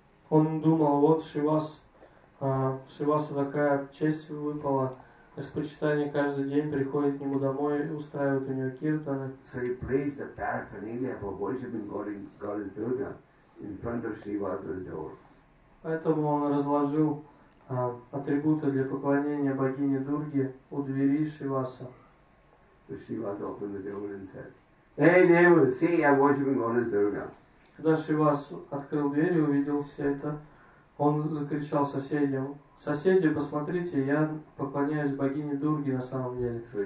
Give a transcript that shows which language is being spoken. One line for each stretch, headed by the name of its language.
Russian: Он думал, вот Шривасу такая честь выпала. Господь Читания каждый день приходит к нему домой и устраивает у него киртаны.
English: So he placed the paraphernalia for worshiping Goddess Durga in front of Shrivasu's door.
Russian: Поэтому он разложил атрибуты для поклонения богине Дурге у двери Шриваса.
English: So Shrivas opened the door and said, "Hey neighbor, see, I'm worshiping Goddess Durga."
Russian: Когда Шривас открыл дверь и увидел все это, он закричал соседям: «Соседи, посмотрите, я поклоняюсь богине Дурге на самом деле».